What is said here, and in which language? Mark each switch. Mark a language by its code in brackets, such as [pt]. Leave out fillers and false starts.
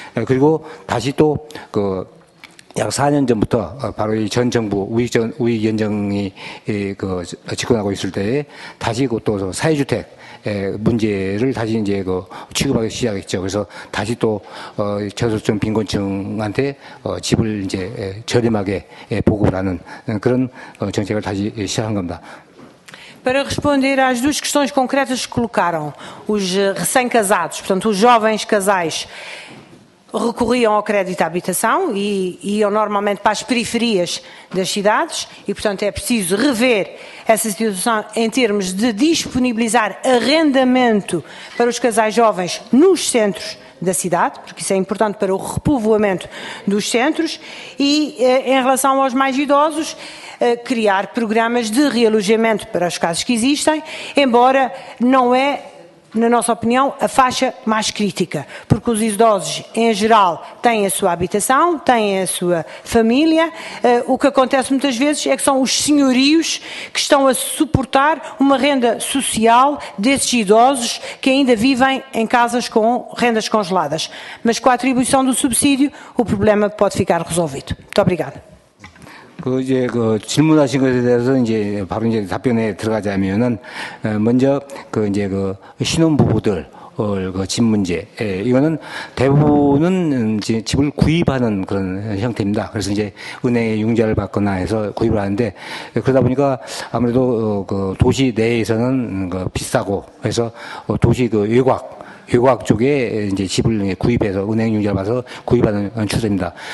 [ko] 그리고 다시 또 그 약 4년 전부터 바로 이 전 정부 우익 연정이 그 집권하고 있을 때에 다시 또 사회주택 문제를 다시 이제 그 취급하기 시작했죠. 그래서 다시 또 저소득층 빈곤층한테 집을 이제 저렴하게 보급을 하는 그런 정책을 다시 시작한 겁니다. [pt] Para responder às duas questões concretas que colocaram, os recém-casados, portanto os jovens casais, recorriam ao crédito à habitação e iam normalmente para as periferias das cidades e, portanto, é preciso rever essa situação em termos de disponibilizar arrendamento para os casais jovens nos centros da cidade, porque isso é importante para o repovoamento dos centros e, em relação aos mais idosos, criar programas de realojamento para os casos que existem, embora não é, na nossa opinião, a faixa mais crítica, porque os idosos, em geral, têm a sua habitação, têm a sua família, o que acontece muitas vezes é que são os senhorios que estão a suportar uma renda social desses idosos que ainda vivem em casas com rendas congeladas. Mas com a atribuição do subsídio, o problema pode ficar resolvido. Muito obrigada. [ko] 그 이제 그 질문하신 것에 대해서 이제 바로 이제 답변에 들어가자면은 먼저 그 이제 그 신혼부부들 그 집 문제 이거는 대부분은 이제 집을 구입하는 그런 형태입니다. 그래서 이제 은행에 융자를 받거나 해서 구입을 하는데 그러다 보니까 아무래도 그 도시 내에서는 그 비싸고 그래서 도시 그 외곽 쪽에 이제 집을 구입해서 은행 융자를 받아서 구입하는 추세입니다.